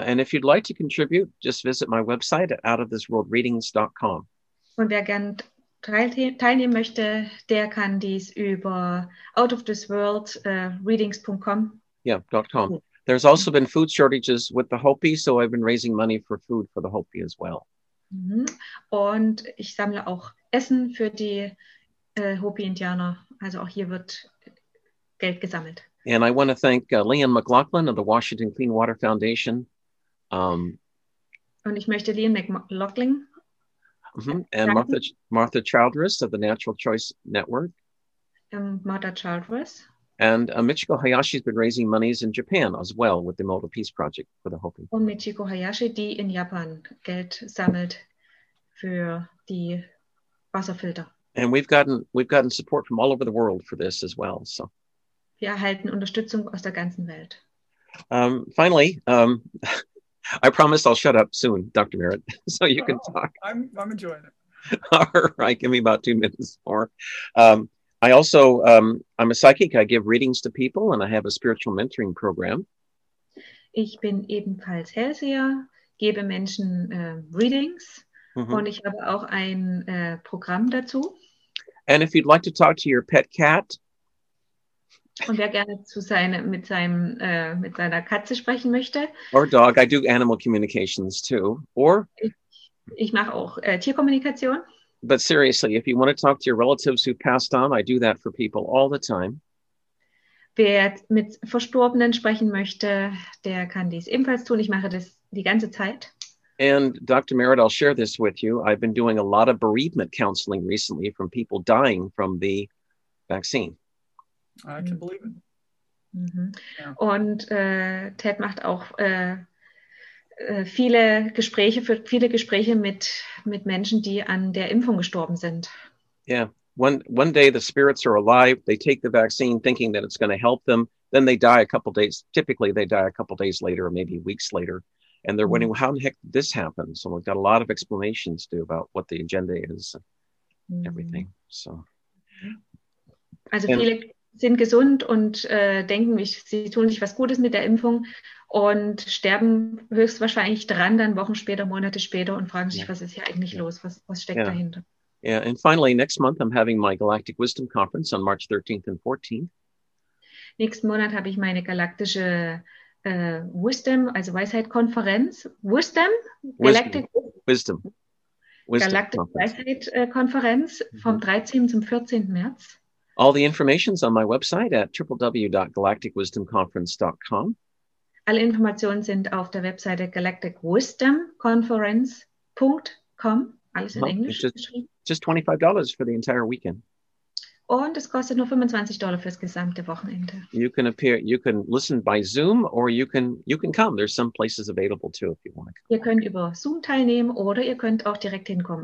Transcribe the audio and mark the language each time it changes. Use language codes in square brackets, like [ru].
[en] And if you'd like to contribute, just visit my website at outoftheworldreadings.com. [de] Und wer gern teilnehmen möchte, der kann dies über outoftheworldreadings.com. [en] .com. There's also been food shortages with the Hopi, so I've been raising money for food for the Hopi as well. [de] Und ich sammle auch Essen für die Hopi-Indianer. Also auch hier wird Geld gesammelt. [en] And I want to thank Leon McLaughlin of the Washington Clean Water Foundation. [de] Und ich möchte Leon McLaughlin. [en] And Martha Childress of the Natural Choice Network. [de] Martha Childress. [en] And Michiko Hayashi has been raising monies in Japan as well with the Moto Peace Project for the Hopi. [de] Und Michiko Hayashi, die in Japan Geld sammelt für die Wasserfilter. [en] And we've gotten support from all over the world for this as well. So. [de] Wir erhalten Unterstützung aus der ganzen Welt. [en] Finally, I promise I'll shut up soon, Dr. Merritt, so you can talk. I'm enjoying it. All right, give me about 2 minutes more. I also, I'm a psychic. I give readings to people, and I have a spiritual mentoring program. [de] Ich bin ebenfalls Hellseher, gebe Menschen readings, und ich habe auch ein Programm dazu. [en] And if you'd like to talk to your pet cat. [de] Und wer gerne mit seiner Katze sprechen möchte. [en] Or dog, I do animal communications too. Or [de] ich mache auch Tierkommunikation. [en] But seriously, if you want to talk to your relatives who passed on, I do that for people all the time. [de] Wer mit Verstorbenen sprechen möchte, der kann dies ebenfalls tun. Ich mache das die ganze Zeit. [en] And Dr. Merritt, I'll share this with you. I've been doing a lot of bereavement counseling recently from people dying from the vaccine. I can believe it. Yeah. [de] Und Ted macht auch viele Gespräche mit Menschen, die an der Impfung gestorben sind. [en] Yeah, one day the spirits are alive. They take the vaccine, thinking that it's going to help them. Then they die a couple days. Typically, they die a couple days later, or maybe weeks later, and they're wondering how in the heck did this happen. So we've got a lot of explanations to about what the agenda is, and everything. So. [de] Also and, viele. Sind gesund und denken, sie tun sich was Gutes mit der Impfung und sterben höchstwahrscheinlich dran, dann Wochen später, Monate später und fragen sich, was ist hier eigentlich los? Was steckt dahinter? [en] Yeah, and finally, next month I'm having my Galactic Wisdom Conference on March 13th and 14th. [de] Nächsten Monat habe ich meine galaktische Wisdom, also Weisheit-Konferenz. [en] Wisdom? Galactic Wisdom. [de] Galactic-Weisheit-Konferenz vom 13. zum 14. März. [en] All the information's on my website at www.galacticwisdomconference.com. [de] Alle Informationen sind auf der Webseite galacticwisdomconference.com. Alles in Englisch. [en] Just $25 for the entire weekend. [de] Und es kostet nur $25 fürs gesamte Wochenende. [en] You can listen by Zoom or you can come. There's some places available too if you want. [de] Ihr könnt über Zoom teilnehmen oder ihr könnt auch direkt hinkommen.